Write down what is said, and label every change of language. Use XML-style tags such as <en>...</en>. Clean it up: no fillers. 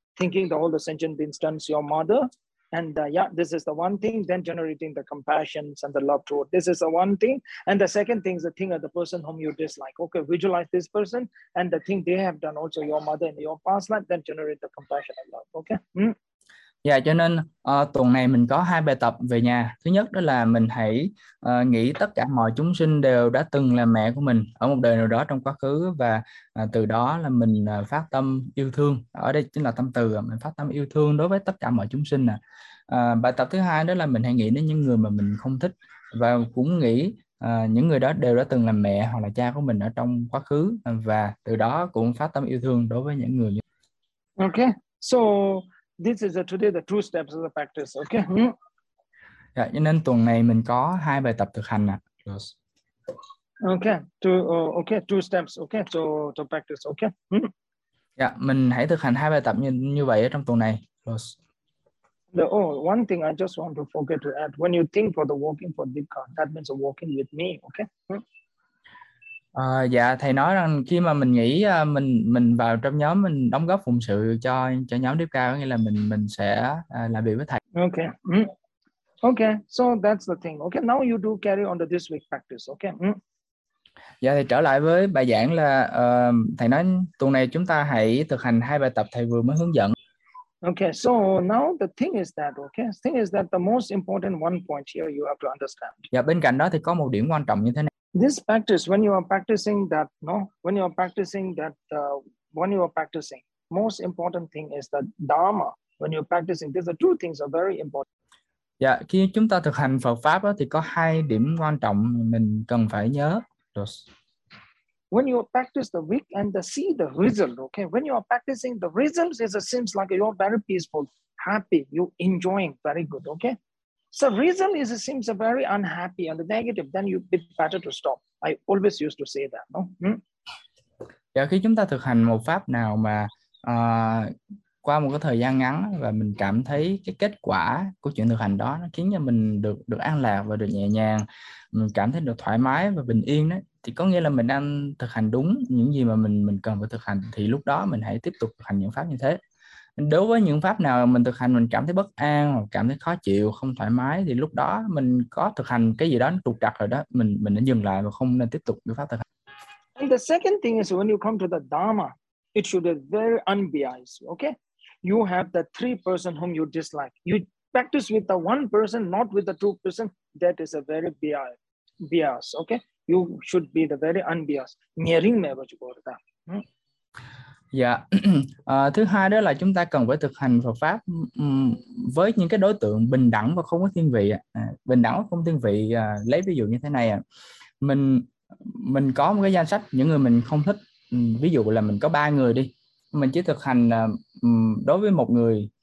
<en>Thinking the all the sentient beings turns your mother, and yeah, this is the one thing, then generating the compassion and the love toward. This is the one thing, and the second thing is the thing of the person whom you dislike. Okay, visualize this person and the thing they have done, also your mother in your past life, then generate the compassion and love. Okay.</en> <vi>Dạ, cho nên tuần này mình có hai bài tập về nhà. Thứ nhất đó là mình hãy nghĩ tất cả mọi chúng sinh đều đã từng là mẹ của mình ở một đời nào đó trong quá khứ, và từ đó là mình phát tâm yêu thương. Ở đây chính là tâm từ, mình phát tâm yêu thương đối với tất cả mọi chúng sinh. Bài tập thứ hai đó là mình hãy nghĩ đến những người mà mình không thích, và cũng nghĩ những người đó đều đã từng là mẹ hoặc là cha của mình ở trong quá khứ, và từ đó cũng phát tâm yêu thương đối với những người như.</vi> <en>Okay, so this is today the two steps of the practice, okay?</en> <vi>Yeah, cho nên tuần này mình có hai bài tập thực hành.</vi> <en>Yes. Okay, two steps, okay? So to practice, okay?</en> <vi>Yeah, mình hãy thực hành hai bài tập như vậy ở trong tuần này.</vi> <en>Yes. One thing I just want to forget to add, when you think for the walking for Dikha, that means a walking with me, okay?</en> <vi>Dạ, thầy nói rằng khi mà mình nghĩ mình vào trong nhóm, mình đóng góp phụng sự cho nhóm Deep Cao, nghĩa là mình sẽ làm việc với thầy.</vi> <en>Okay. Okay, so that's the thing. Okay, now you do carry on to this week practice. Okay.</en> <vi>Dạ, thì trở lại với bài giảng là thầy nói tuần này chúng ta hãy thực hành hai bài tập thầy vừa mới hướng dẫn.</vi> <en>Okay, so now the thing is that, okay, the thing is that the most important one point here you have to understand.</en> <vi>Dạ, bên cạnh đó thì có một điểm quan trọng như thế này.</vi> <en>This practice, when you are practicing that, no, when you are practicing that, when you are practicing, most important thing is the Dharma. When you are practicing, these are two things are very important.</en> <vi>Yeah, khi chúng ta thực hành Phật pháp đó, thì có hai điểm quan trọng mình cần phải nhớ.</vi> <en>Yes. When you practice the week and the see the result, okay. When you are practicing the results, it seems like you are very peaceful, happy, you enjoying, very good, okay. So reason is it seems a very unhappy and the negative, then you bit better to stop. I always used to say that, no?</en> <vi>Yeah, khi chúng ta thực hành một pháp nào mà qua một cái thời gian ngắn và mình cảm thấy cái kết quả của chuyện thực hành đó nó khiến cho mình được an lạc và được nhẹ nhàng, mình cảm thấy được thoải mái và bình yên đó, thì có nghĩa là mình đang thực hành đúng những gì mà mình cần phải thực hành, thì lúc đó mình hãy tiếp tục thực hành những pháp như thế. Đối với những pháp nào mình thực hành mình cảm thấy bất an hoặc cảm thấy khó chịu, không thoải mái, thì lúc đó mình có thực hành cái gì đó nó trục trặc rồi đó, mình nên dừng lại và không nên tiếp tục cái pháp thực hành.</vi> <en>And the second thing is when you come to the Dharma, it should be very unbiased, okay? You have the three person whom you dislike. You practice with the one person, not with the two person. That is a very bias, okay? You should be the very unbiased. Nhering me vào chỗ đó.</en> <vi>Dạ, thứ hai đó là chúng ta cần phải thực hành Phật pháp với những cái đối tượng bình đẳng và không có thiên vị. Bình đẳng và không thiên vị, lấy ví dụ như thế này, mình có một cái danh sách những người mình không thích, ví dụ là mình có ba người đi, mình chỉ thực hành đối với một người</vi>